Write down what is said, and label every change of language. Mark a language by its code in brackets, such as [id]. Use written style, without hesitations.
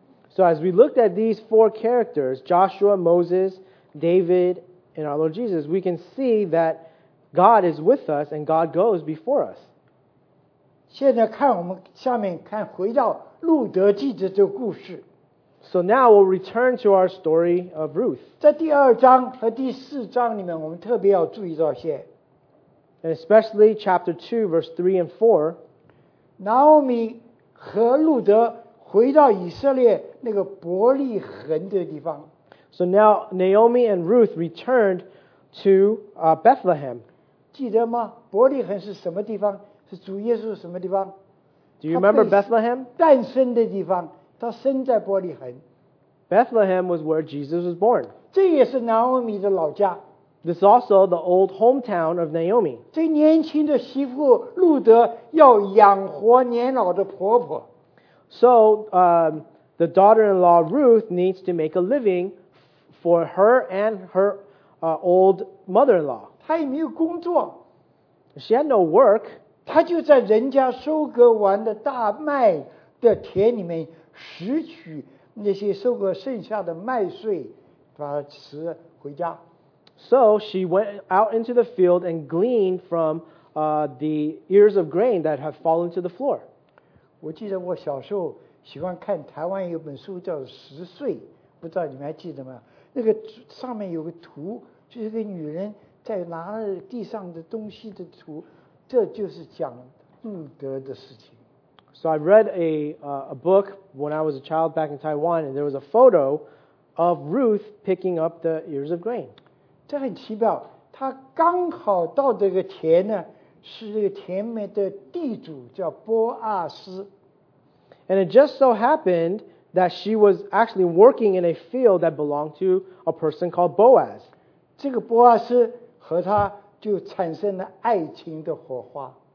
[en] So as we looked at these four characters, Joshua, Moses, David, and our Lord Jesus, we can see that God is with us and God goes before us. [zh] 现在看我们下面看回到路德记的这个故事。 [en] So now we'll return to our story of Ruth. [zh] 在第二章和第四章里面我们特别要注意到些。 [en] And especially chapter 2, verse 3 and 4. [zh] Naomi 和路德回到以色列那个伯利恒的地方。 [en] So now Naomi and Ruth returned to Bethlehem. [zh] 记得吗？伯利恒是什么地方？是主耶稣什么地方？ [en] Do you remember Bethlehem? [zh] 诞生的地方，他生在伯利恒。 [en] Bethlehem was where Jesus was born. [zh] 这也是 Naomi 的老家。 [en] This is also the old hometown of Naomi. [zh] 这年轻的媳妇路德要养活年老的婆婆。 [en] So, the daughter-in-law Ruth needs to make a living for her and her old mother-in-law. [zh] 她也没有工作。 [en] She had no work. [zh] 她就在人家收割完的大麦的田里面拾取那些收割剩下的麦穗，把它拾回家。 [en] So, she went out into the field and gleaned from the ears of grain that had fallen to the floor. [zh] 我记得我小时候喜欢看台湾有本书叫《拾穗》，不知道你们还记得吗？那个上面有个图，就是个女人在拿地上的东西的图，这就是讲路德的事情。 [en] So I read a book when I was a child back in Taiwan, and there was a photo of Ruth picking up the ears of grain. [zh] 这很奇妙，她刚好到这个田呢，是这个田里的地主叫波阿斯。 [en] And it just so happened that she was actually working in a field that belonged to a person called Boaz. [zh] 这个波阿斯和他就产生了爱情的火花。